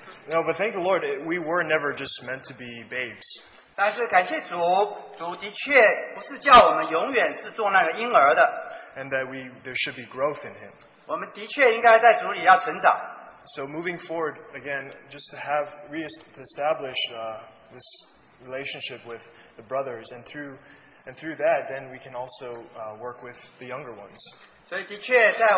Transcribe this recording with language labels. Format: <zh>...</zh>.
<en>But thank the Lord, we were never just meant to be babes.</en> <zh>但是感谢主，主的确不是叫我们永远是做那个婴儿的。And</zh> <en>that there should be growth in Him.</en> <zh>我们的确应该在主里要成长。</zh> <en>So moving forward again, just to have reestablish this relationship with the brothers, and through that, then we can also work with the younger ones.</en>